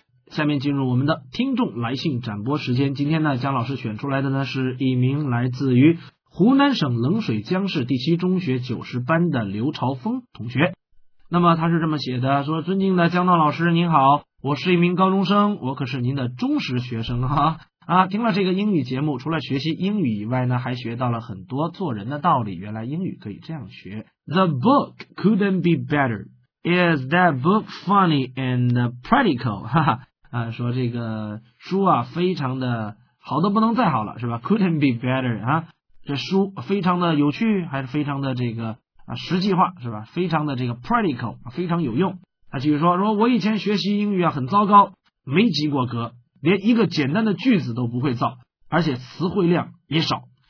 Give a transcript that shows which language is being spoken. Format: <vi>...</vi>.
<zh>下面进入我们的听众来信展播时间。今天呢，姜老师选出来的呢是一名来自于湖南省冷水江市第七中学90班的刘朝峰同学。那么他是这么写的，说：尊敬的姜涛老师您好，我是一名高中生，我可是您的忠实学生啊。听了这个英语节目，除了学习英语以外呢，还学到了很多做人的道理。原来英语可以这样学。</zh> <en>The book couldn't be better. Is that book funny and practical?</en> <zh>哈哈，说这个书啊非常的好的不能再好了，是吧？</zh> <en>Couldn't be better</en> <zh>啊，这书非常的有趣，还是非常的这个实际化，是吧？非常的这个 practical， 非常有用。他继续说，说我以前学习英语啊很糟糕，没及过格，连一个简单的句子都不会造，而且词汇量也少。</zh>